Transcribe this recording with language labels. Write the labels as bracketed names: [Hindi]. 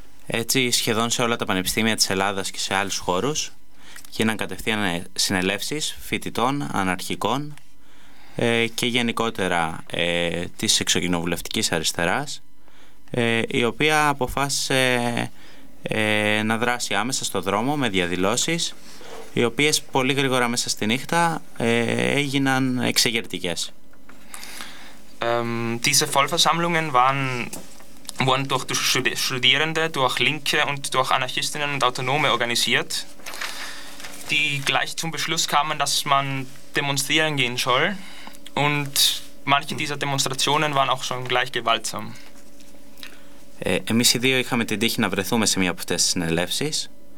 [Greek] Έτσι, σχεδόν σε όλα τα πανεπιστήμια της Ελλάδας και σε άλλους χώρους γίναν κατευθείαν συνελεύσεις φοιτητών, αναρχικών και γενικότερα της εξωκοινοβουλευτικής αριστεράς, η οποία αποφάσισε να δράσει άμεσα στο δρόμο με διαδηλώσεις, οι οποίες πολύ γρήγορα μέσα στη νύχτα έγιναν εξεγερτικές. [German] Diese Vollversammlungen wurden durch Studierende, durch Linke und durch Anarchistinnen und Autonome organisiert, die gleich zum Beschluss kamen, dass man demonstrieren gehen soll, und manche dieser Demonstrationen waren auch schon gleich gewaltsam. [Greek] Εμείς οι δύο είχαμε την τύχη να βρεθούμε σε μία από αυτές τις συνελεύσεις.